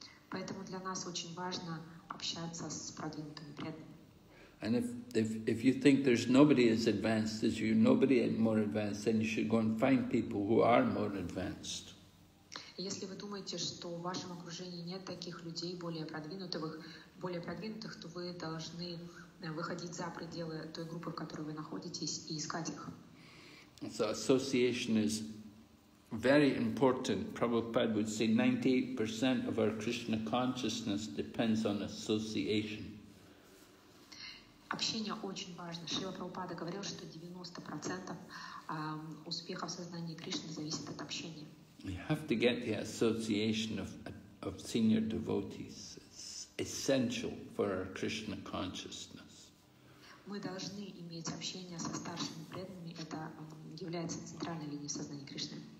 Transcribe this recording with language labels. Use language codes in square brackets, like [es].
[ru] Поэтому для нас очень важно общаться с продвинутыми преданными. [en] And if you think there's nobody as advanced as you, nobody more advanced, then you should go and find people who are more advanced. [ru] Если вы думаете, что в вашем окружении нет таких людей более продвинутых, то вы должны выходить за пределы той группы, в которой вы находитесь, и искать их. [en] So association is very important. Prabhupada would say 98% of our Krishna consciousness depends on association. [ru] Общение очень важно. Шрила Прабхупада говорил, что 90% успеха в сознании Кришны зависит от общения. [en] We have to get the association of senior devotees. It's essential for our Krishna consciousness. [ru] Мы должны иметь общение со старшими преданными. Это является центральной линией сознания Кришны.